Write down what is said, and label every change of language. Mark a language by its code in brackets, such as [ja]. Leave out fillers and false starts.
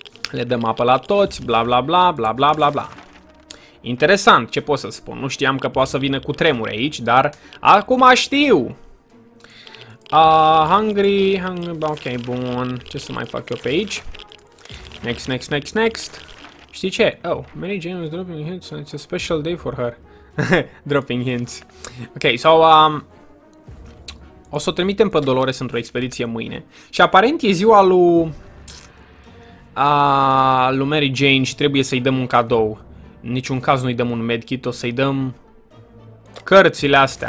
[ro] Le dăm apă la toți, bla, bla, bla, bla, bla, bla, bla. Interesant, ce pot să spun? Nu știam că poate să vină cu tremur aici, dar acum știu! Hungry, ok, bun, ce să mai fac eu pe aici? Next. Știi ce? [en] Oh, Mary Jane is dropping hints and it's a special day for her. Dropping hints. [ro] Ok, so, o să o trimitem pe Dolores într-o expediție mâine. Și aparent e ziua lui Mary Jane și trebuie să-i dăm un cadou. În niciun caz nu-i dăm un medkit, o să-i dăm cărțile astea.